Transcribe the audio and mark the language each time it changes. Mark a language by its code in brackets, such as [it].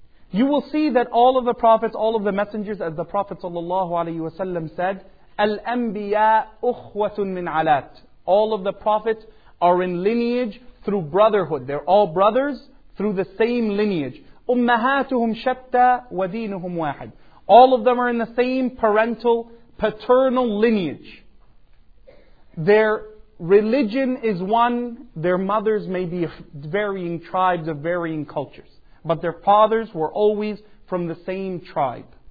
[en] You will see that all of the prophets, all of the messengers, as the Prophet sallallahu alayhi wa sallam said, [ar] الأنبياء أخوة من علات. [en] All of the prophets are in lineage through brotherhood. They're all brothers through the same lineage. [ar] أمهاتهم شتى ودينهم واحد. [en] All of them are in the same parental, paternal lineage. Their religion is one. Their mothers may be varying tribes of varying cultures. But their fathers were always from the same tribe.